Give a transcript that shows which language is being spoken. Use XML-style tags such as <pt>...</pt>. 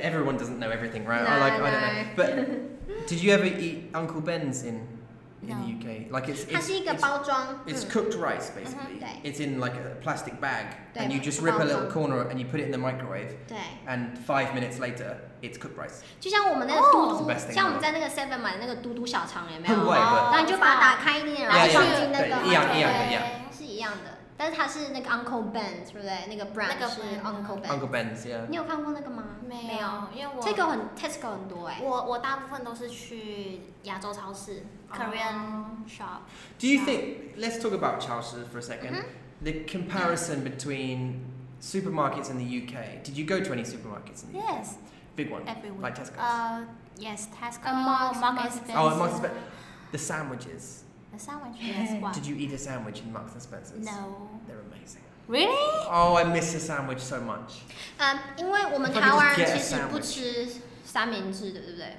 <en>Everyone doesn't know everything, right? I don't know. But did you ever eat Uncle Ben's in in the UK. Like it's</en> <zh>它是一个包装,</zh> <en>it's cooked rice basically. Mm-hmm, it's in like a plastic bag and you just rip a little corner and you put it in the microwave. And 5 minutes later it's cooked rice.</en> <zh>就像我们那个嘟嘟，像我们在那个 Seven 买的那个嘟嘟小肠有没有？然后你就把它打开一点，然后放进那个，是一样的。但是它是那个 Uncle Ben's， 对不对？那个 brand 是 Uncle Ben's。</zh> <en>Uncle Ben's， yeah。</en> <zh>你有看过那个吗？没有，因为我 Tesco 很 Tesco 很多哎。我大部分都是去亚洲超市 Korean shop。</zh> <en>Do you think let's talk about 超市 for a second？ The comparison between supermarkets in the UK. Did you go to any supermarkets in the UK? Yes. Big one. Everyone. Like Tesco's. Yes, Tesco. Marks and Spencer's. Oh, Marks and Spencer's. The sandwiches. Sandwich. Did you eat a sandwich in Marks and Spencer's? No. They're amazing. Really? Oh, I miss a sandwich so much.</en> <zh>因为我们台湾人其实不吃三明治的，对不对？</zh>